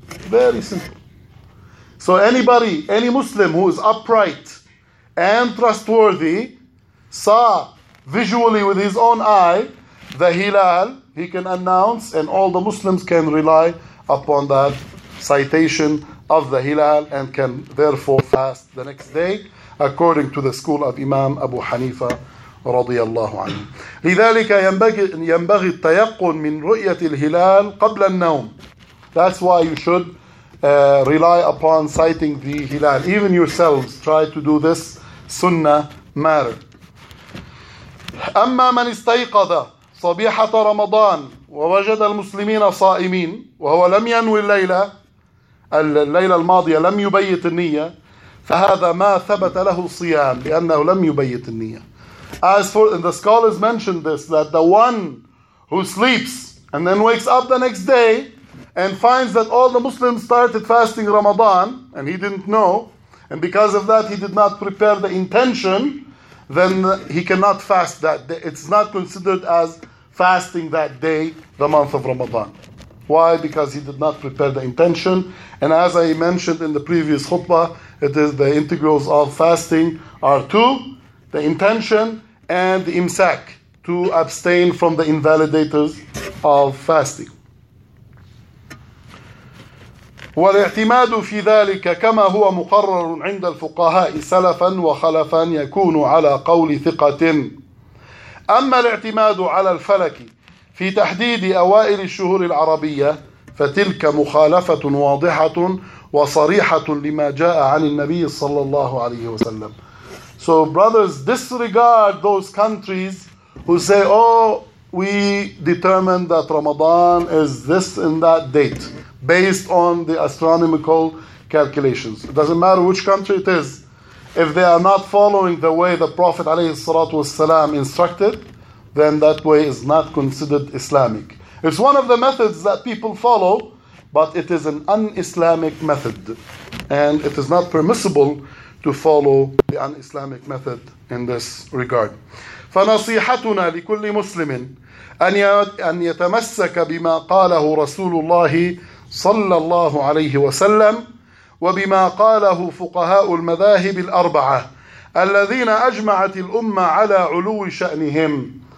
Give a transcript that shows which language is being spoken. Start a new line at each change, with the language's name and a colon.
English: Very simple. So anybody, any Muslim who is upright and trustworthy, saw visually with his own eye the Hilal, he can announce, and all the Muslims can rely upon that citation of the Hilal and can therefore fast the next day, according to the school of Imam Abu Hanifa
Arabic: رضي الله عنه. لذلك ينبغي التيقن من رؤية الهلال قبل النوم.
English: That's why you should rely upon sighting the Hilal. Even yourselves try to do this sunnah matter.
Arabic: أما من استيقظ صبيحة رمضان ووجد المسلمين صائمين وهو لم ينوي الليلة الماضية لم يبيت النية فهذا ما ثبت له الصيام لأنه لم يبيت النية.
English: As for, and the scholars mentioned this, that the one who sleeps and then wakes up the next day and finds that all the Muslims started fasting Ramadan and he didn't know, and because of that he did not prepare the intention, then he cannot fast that day. It's not considered as fasting that day, the month of Ramadan. Why? Because he did not prepare the intention. And as I mentioned in the previous khutbah, it is the integrals of fasting are two: the intention and the imsak, to abstain from the invalidators of fasting.
Arabic: والاعتماد في ذلك كما هو مقرر عند الفقهاء سلفا وخلفا يكون على قول ثقة. أما الاعتماد على الفلك في تحديد أوائل الشهور العربية فتلك مخالفة واضحة وصريحة لما جاء عن النبي صلى الله عليه وسلم.
English: So brothers, disregard those countries who say, oh, we determined that Ramadan is this and that date based on the astronomical calculations. It doesn't matter which country it is. If they are not following the way the Prophet ﷺ instructed, then that way is not considered Islamic. It's one of the methods that people follow, but it is an un-Islamic method. And it is not permissible to follow the un-Islamic method in this regard.
Arabic: فنصيحتنا لكل مسلم أن يتمسك بما قاله رسول الله صلى الله عليه وسلم وبما قاله فقهاء المذاهب الأربعة الذين أجمعت الأمة على علو شأنهم